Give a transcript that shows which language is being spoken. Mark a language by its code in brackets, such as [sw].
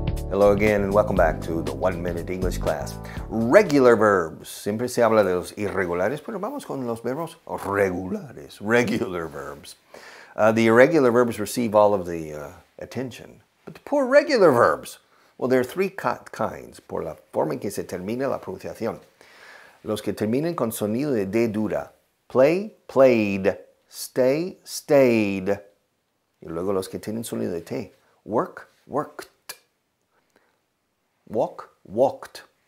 [en] Hello again and welcome back to the 1 minute English class. Regular verbs. [es] Siempre se habla de los irregulares, pero vamos con los verbos regulares. [en] Regular verbs. The irregular verbs receive all of the attention. But the poor regular verbs. Well, there are three kinds. [es] Por la forma en que se termina la pronunciación. Los que terminan con sonido de D dura. [en] Play, played. Stay, stayed. [es] Y luego los que tienen sonido de T. [en] Work, worked. Walk, walked.